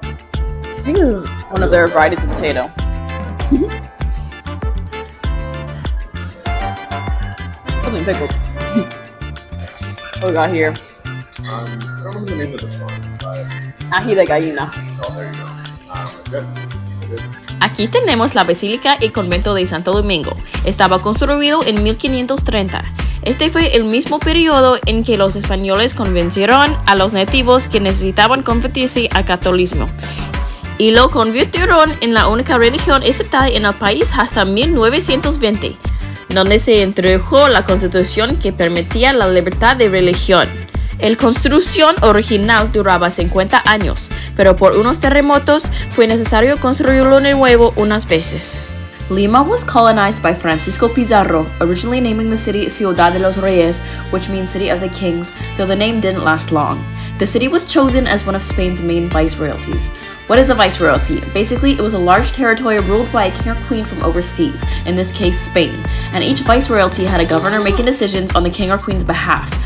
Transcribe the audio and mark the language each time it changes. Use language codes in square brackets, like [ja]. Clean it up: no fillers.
[en] I think this is one of their varieties of potato. Something pickled. What we got here? I don't remember the name of this one, but... [es] Ají de gallina. [en] Oh, there you go. Good. [es] Aquí tenemos la Basílica y Convento de Santo Domingo. Estaba construido en 1530. Este fue el mismo periodo en que los españoles convencieron a los nativos que necesitaban convertirse al catolicismo. Y lo convirtieron en la única religión aceptada en el país hasta 1920, donde se introdujo la constitución que permitía la libertad de religión. La construcción original duraba 50 años, pero por unos terremotos fue necesario construirlo de nuevo unas veces. [en] Lima was colonized by Francisco Pizarro, originally naming the city Ciudad de los Reyes, which means City of the Kings, though the name didn't last long. The city was chosen as one of Spain's main viceroyalties. What is a viceroyalty? Basically, it was a large territory ruled by a king or queen from overseas, in this case Spain, and each viceroyalty had a governor making decisions on the king or queen's behalf.